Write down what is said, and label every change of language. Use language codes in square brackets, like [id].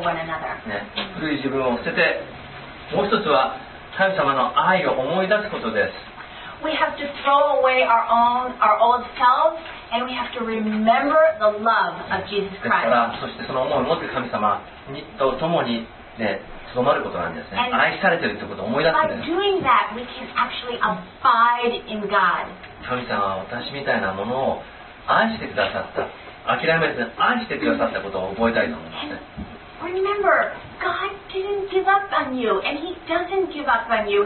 [en] one another. [ja] ね、古い自分を捨てて、もう一つは神様の愛を思い出すことです。 [en] We have to throw away our own, our old selves, and we have to remember the love of Jesus Christ. [ja] ですから、そしてその思いを持って神様にと共にね、留まることなんですね。愛されているということを思い出すんです。 [en] By doing that, we can actually abide in God. [ja] 神様は私みたいなものを愛してくださった、諦めずに愛してくださったことを覚えたいと思いますね。 [en] Remember, God didn't give up on you, and He doesn't give up on you.